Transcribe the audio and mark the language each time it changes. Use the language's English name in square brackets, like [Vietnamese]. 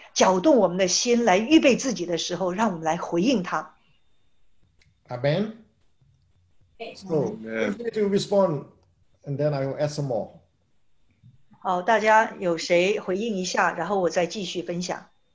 [Chinese] 所以当现在圣灵来浇灌，来现在搅动我们的心，来预备自己的时候， [English] Amen. Amen. So, ready to respond, and then I will add some more. [Chinese] 好，大家有谁回应一下，然后我再继续分享。